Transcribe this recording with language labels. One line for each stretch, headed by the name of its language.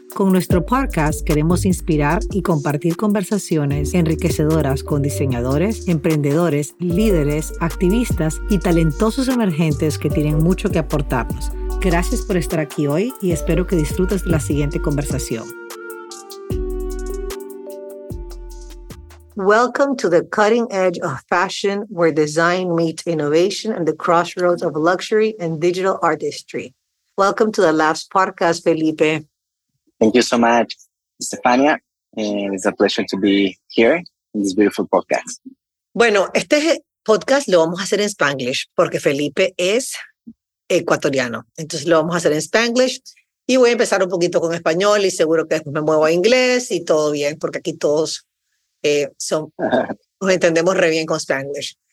Spanish: Con nuestro podcast queremos inspirar y compartir conversaciones enriquecedoras con diseñadores, emprendedores, líderes, activistas y talentosos emergentes que tienen mucho que aportarnos. Gracias por estar aquí hoy y espero que disfrutes de la siguiente conversación.
English: Welcome to the cutting edge of fashion, where design meets innovation and the crossroads of luxury and digital artistry. Welcome to the last podcast, Felipe. Thank you so much, Estefania. And it's a pleasure to be here in this beautiful podcast.
Spanish: Bueno, este podcast lo vamos a hacer en Spanglish porque Felipe es ecuatoriano. Entonces lo vamos a hacer en Spanglish y voy a empezar un poquito con español y seguro que después me muevo a inglés y todo bien porque aquí todos nos entendemos re bien con Spanglish.